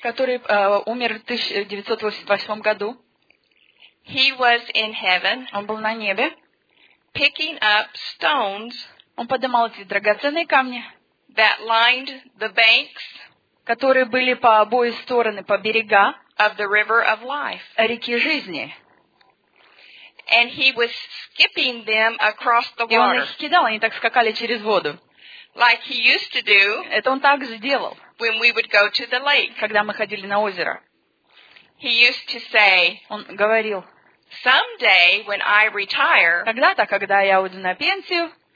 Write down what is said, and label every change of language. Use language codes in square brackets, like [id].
[ru] Который умер в 1988 году. [en] He was in heaven. [ru] Он был на небе. [en] Picking up stones. [ru] Он поднимал эти драгоценные камни. [en] That lined the banks. [ru] Которые были по обои стороны по берега. [en] Of the river of life. [ru] Реки жизни. [en] And he was skipping them across the water. [ru] И он их кидал, они так скакали через воду. [en] like he used to do. [ru] Это он так же делал. [en] When we would go to the lake. [ru] Когда мы ходили на озеро. [en] He used to say. [ru] Он говорил. [en] Someday when I retire. [ru] Когда-то, когда я уйду на пенсию.